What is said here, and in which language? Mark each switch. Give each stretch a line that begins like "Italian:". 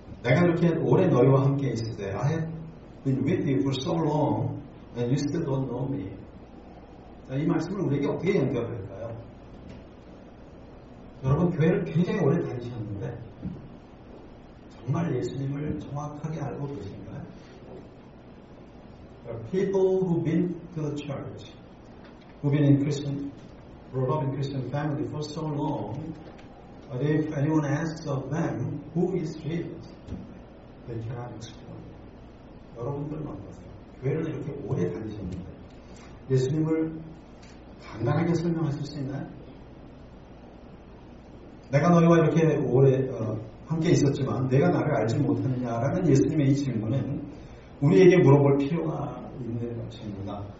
Korean: 내가 이렇게 오래 너희와 함께 있을 때
English: I have been with you for so long and you still don't know me.
Korean: 이 말씀을 우리에게 어떻게 연결할까요? 여러분 교회를 굉장히 오래 다니셨는데 정말 예수님을 정확하게 알고 계신가요?
English: People who've been to the church, who've been in Christian, brought up in Christian family for so long, but if anyone asks of them, who is Jesus? They cannot explain.
Korean: 여러분들은 어떠세요? 교회를 이렇게 오래 다니셨는데 예수님을 간단하게 설명하실 수 있나요? 내가 너희와 이렇게 오래 함께 있었지만 내가 나를 알지 못하느냐라는 예수님의 이 질문은 우리에게 물어볼 필요가 있는 것입니다.